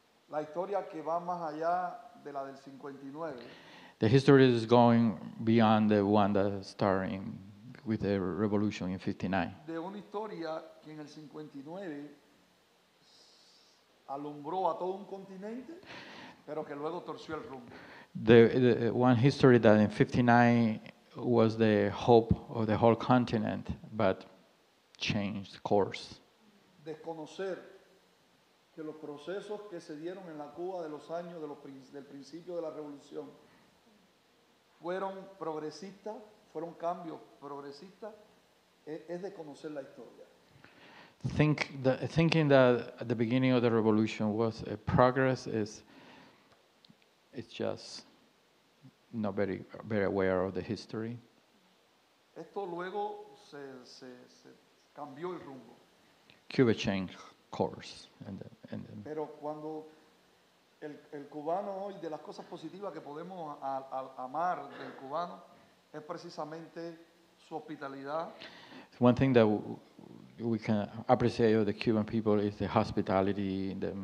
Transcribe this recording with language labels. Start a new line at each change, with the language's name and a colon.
Spanish: la historia que va más allá de la del 59.
English: The history is going beyond the one that started with the revolution in 59.
Spanish: De una historia que en el 59 alumbró a todo un continente, pero que luego torció el rumbo.
English: The one history that in 59 was the hope of the whole continent, but changed course.
Spanish: Desconocer que los procesos que se dieron en la Cuba de los años del principio de la revolución fueron progresistas, fueron cambios progresistas, es de conocer la historia.
English: Thinking that at the beginning of the revolution was a progress is just not very, very aware of the history.
Spanish: Esto luego se cambió el rumbo.
English: Cuba changed course. And then.
Spanish: Pero cuando el cubano hoy, de las cosas positivas que podemos amar del cubano, es precisamente su hospitalidad.
English: One thing that we can appreciate of the Cuban people is the hospitality,